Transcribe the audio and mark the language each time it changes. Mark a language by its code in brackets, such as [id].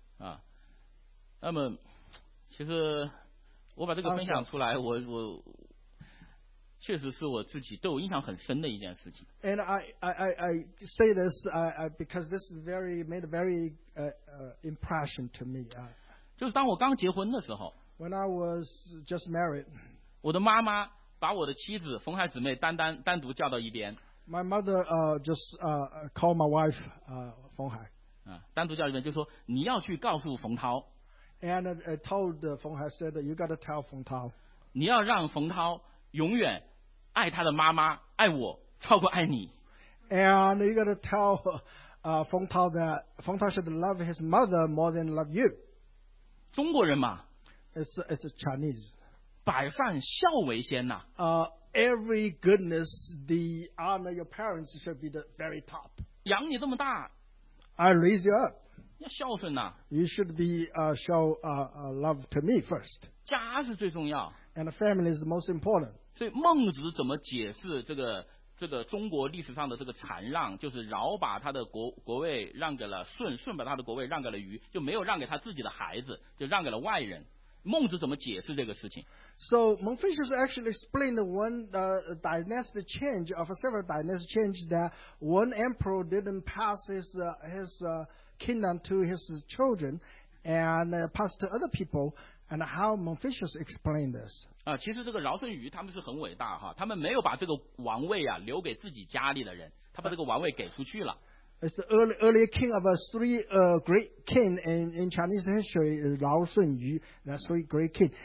[zh] 啊，那么其实我把这个分享出来，我确实是我自己对我印象很深的一件事情。 [en] And I say this because this made a very impression to me. [zh] 就是当我刚结婚的时候 [en] ，When I was just married， [zh] 我的妈妈把我的妻子冯海姊妹单独叫到一边。 [en] My mother called my wife 冯海。 [zh] 单独叫一遍，就说你要去告诉冯涛。 [en] And told 冯海 said you got to tell 冯涛。 [zh] 你要让冯涛永远爱他的妈妈，爱我超过爱你。 [en] And you got to tell 冯涛 that 冯涛 should love his mother more than love you。 [zh] 中国人嘛。 [en] It's Chinese。 [zh] 百善孝为先呐。 [en] Every goodness, the honor your parents should be the very top。 [zh] 养你这么大。 [en] I raise you up. [zh] 要孝顺啊。 [en] You should be love to me first. [zh] 家是最重要。 [en] And the family is the most important. [zh] 所以孟子怎么解释这个中国历史上的这个禅让，就是尧把他的国位让给了舜，舜把他的国位让给了禹，就没有让给他自己的孩子，就让给了外人。孟子怎么解释这个事情？ [en] So Confucius actually explained several dynasty change that one emperor didn't pass his kingdom to his children and passed to other people. And how Confucius explained this? [zh] 其实这个尧舜禹他们是很伟大哈，他们没有把这个王位啊留给自己家里的人，他把这个王位给出去了。 [en] It's the earlier king of three great kings in Chinese history, Rao Sun Yu, that three great kings.